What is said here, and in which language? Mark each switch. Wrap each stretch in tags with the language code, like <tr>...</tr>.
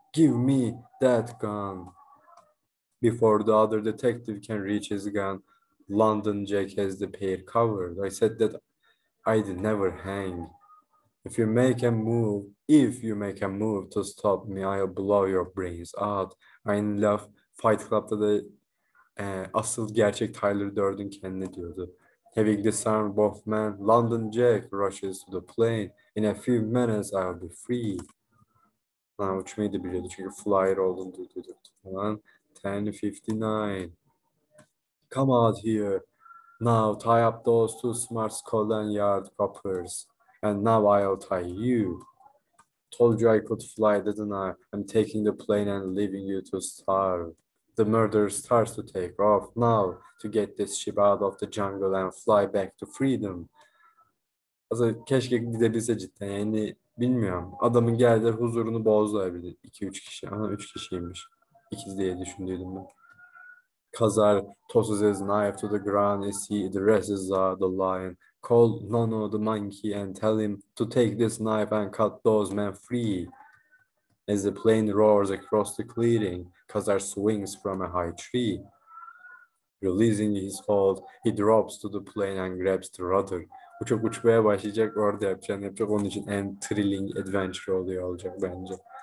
<en>Give me that gun. Before the other detective can reach his gun, London Jack has the pair covered. I said that I'd never hang. If you make a move to stop me, I'll blow your brains out.</en> <tr>Aynı laf Fight Club'da da asıl gerçek Tyler Durden kendine diyordu.</tr> <en>Having disarmed both men, London Jack rushes to the plane. In a few minutes I'll be free.</en> <tr>Lan uçmayı da biliyordu çünkü flyer olduğunu duyduk falan.</tr> <en>1059. Come out here. Now tie up those two smart Scotland Yard coppers. And now I'll tie you. Told you I could fly, didn't I? I'm taking the plane and leaving you to starve. The murder starts to take off now to get this ship out of the jungle and fly back to freedom.</en> <tr>Aslında keşke gidebilse cidden yani bilmiyorum. Adamın geldiler huzurunu bozdu 2-3 kişi. Ama 3 kişiymiş. İkiz diye düşündüydüm ben.</tr> <en>Khazar tosses his knife to the ground as he addresses the lion. Call Nono the monkey and tell him to take this knife and cut those men free. As the plane roars across the clearing, Khazar swings from a high tree. Releasing his hold, he drops to the plane and grabs the rudder.</en> <tr>Bu çok uçmaya başlayacak, orada yapacağını yapacak. Onun için en</tr> <en>thrilling adventure</en> <tr>oluyor olacak bence.</tr>